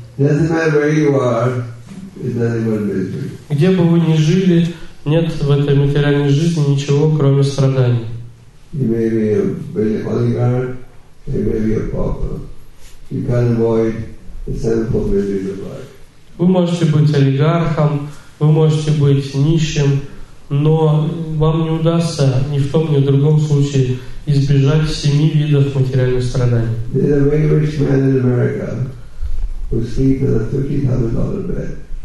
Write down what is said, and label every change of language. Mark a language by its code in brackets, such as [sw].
[en] Doesn't matter where you are, it's nothing but misery. [ru] Где бы вы ни жили, нет в этой материальной жизни ничего, кроме страданий. [en] You may be a brilliant oligarch, you may be a pauper. You can't avoid the sinful miseries of life. [ru] Вы можете быть олигархом, вы можете быть нищим, но вам не удастся ни в том, ни в другом случае избежать семи видов материальных страданий. [en] There's a very rich man in America who sleeps in a $30,000 bed.